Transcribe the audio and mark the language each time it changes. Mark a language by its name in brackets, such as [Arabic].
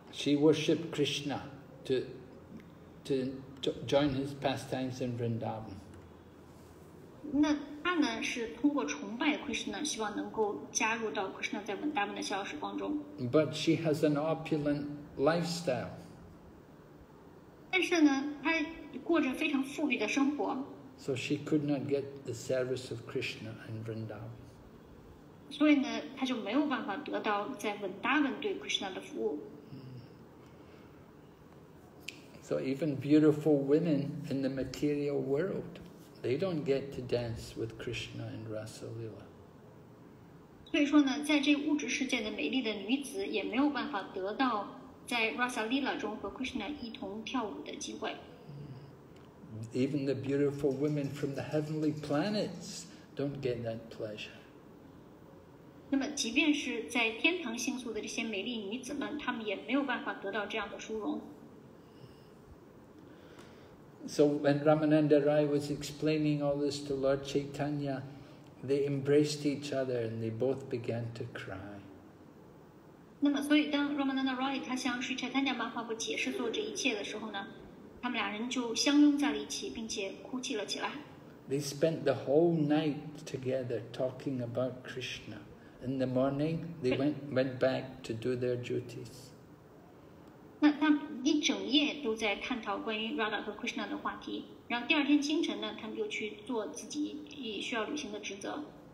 [English] She worshipped Krishna to join his pastimes in Vrindavan. [Chinese] 那她呢，是通过崇拜 Krishna， 希望能够加入到 Krishna 在 Vrindavan 的逍遥时光中。 [English] But she has an opulent lifestyle. [Chinese] 但是呢，她过着非常富裕的生活。 [English] So she could not get the service of Krishna in Vrindavan. [Chinese] 所以呢，她就没有办法得到在 Vrindavan 对 Krishna 的服务。 [English] So even beautiful women in the material world, they don't get to dance with Krishna and Rasa Lila. [Chinese] 所以说呢，在这物质世界的美丽的女子也没有办法得到在 Rasa Lila 中和 Krishna 一同跳舞的机会。 [English] Even the beautiful women from the heavenly planets don't get that pleasure. [Chinese] 那么，即便是在天堂星宿的这些美丽女子们，她们也没有办法得到这样的殊荣。 [English] So when Ramananda Rai was explaining all this to Lord Chaitanya, they embraced each other and they both began to cry. [Chinese] 那么，所以当 Ramananda Rai 他向 Sri Chaitanya Mahaprabhu 解释做这一切的时候呢？他们俩人就相拥在了一起，并且哭泣了起来。 [English] They spent the whole night together talking about Krishna. In the morning, they went back to do their duties. [Chinese] 那他一整夜都在探讨关于 Radha 和 Krishna 的话题，然后第二天清晨呢，他们又去做自己需要履行的职责。